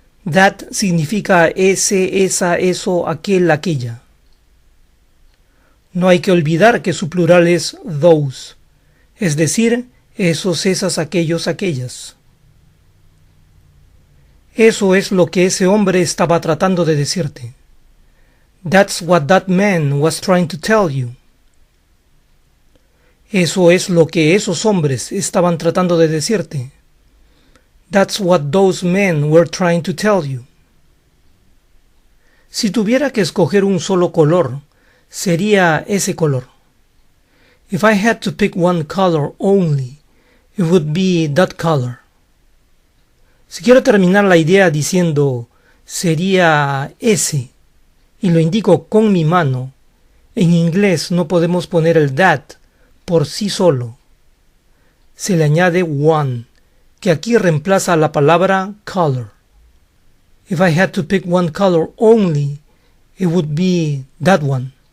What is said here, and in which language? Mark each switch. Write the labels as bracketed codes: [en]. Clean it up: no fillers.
[es] That significa ese, esa, eso, aquel, aquella. No hay que olvidar que su plural es those, es decir, esos, esas, aquellos, aquellas. Eso es lo que ese hombre estaba tratando de decirte. [en] That's what that man was trying to tell you. [es] Eso es lo que esos hombres estaban tratando de decirte. [en] That's what those men were trying to tell you. [es] Si tuviera que escoger un solo color, sería ese color. [en] If I had to pick one color only, it would be that color. [es] Si quiero terminar la idea diciendo sería ese y lo indico con mi mano, en inglés no podemos poner el that por sí solo. Se le añade one, que aquí reemplaza la palabra color. [en] If I had to pick one color only, it would be that one.